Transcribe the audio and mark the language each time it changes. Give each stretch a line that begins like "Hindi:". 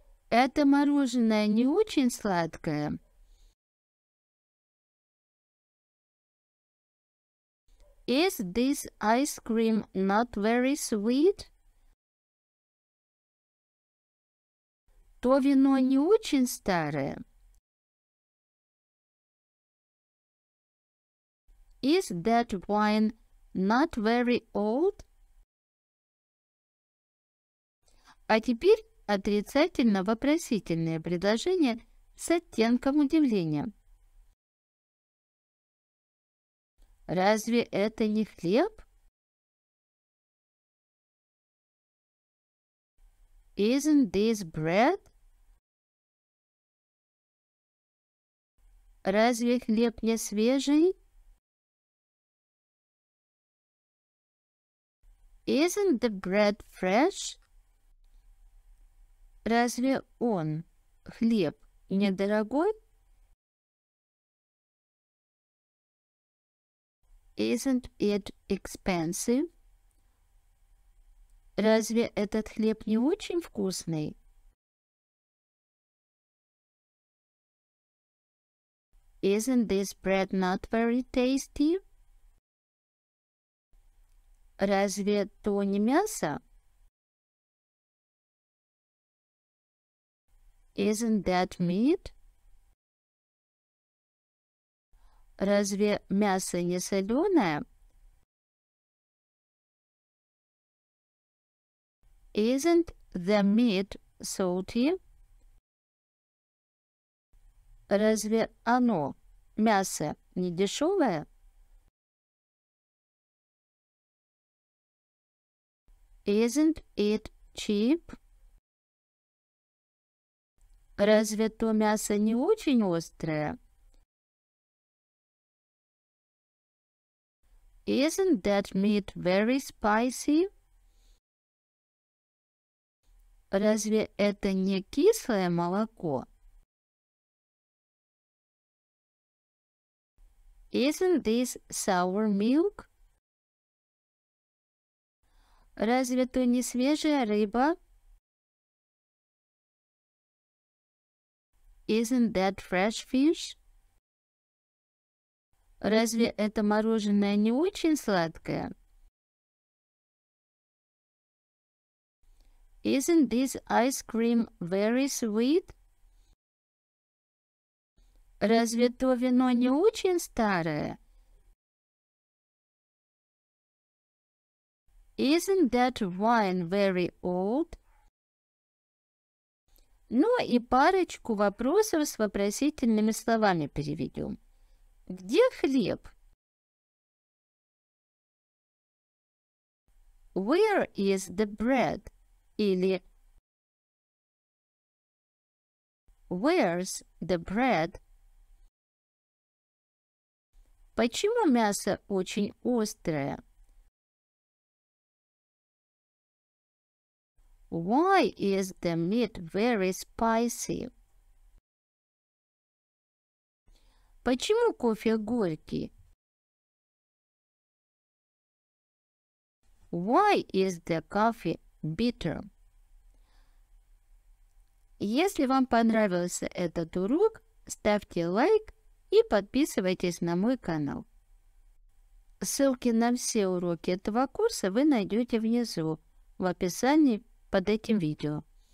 Russian: Это мороженое не очень сладкое.
English: Is this ice cream not very sweet?
Russian: То вино не очень старое.
English: Is that wine not very old?
Russian: А теперь отрицательно-вопросительное предложение с оттенком удивления. Разве это не хлеб?
English: Isn't this bread?
Russian: Разве хлеб не свежий?
English: Isn't the bread fresh?
Russian: Разве он, хлеб, недорогой?
English: Isn't it expensive?
Russian: Разве этот хлеб не очень вкусный?
English: Isn't this bread not very tasty?
Russian: Разве то не мясо?
English: Isn't that meat?
Russian: Разве мясо не соленое?
English: Isn't the meat salty?
Russian: Разве оно, мясо, не дешевое?
English: Isn't it cheap?
Russian: Разве то мясо не очень острое?
English: Isn't that meat very spicy?
Russian: Разве это не кислое молоко?
English: Isn't this sour milk?
Russian: Разве то не свежая рыба?
English: Isn't that fresh fish?
Russian: Разве это мороженое не очень сладкое?
English: Isn't this ice cream very sweet?
Russian: Разве то вино не очень старое?
English: Isn't that wine very old?
Russian: Ну и парочку вопросов с вопросительными словами переведем. Где хлеб?
English: Where is the bread?
Russian: Или
English: Where's the bread?
Russian: Почему мясо очень острое?
English: Why is the meat very spicy?
Russian: Почему кофе горький?
English: Why is the coffee bitter?
Russian: Если вам понравился этот урок, ставьте лайк и подписывайтесь на мой канал. Ссылки на все уроки этого курса вы найдете внизу в описании под этим видео.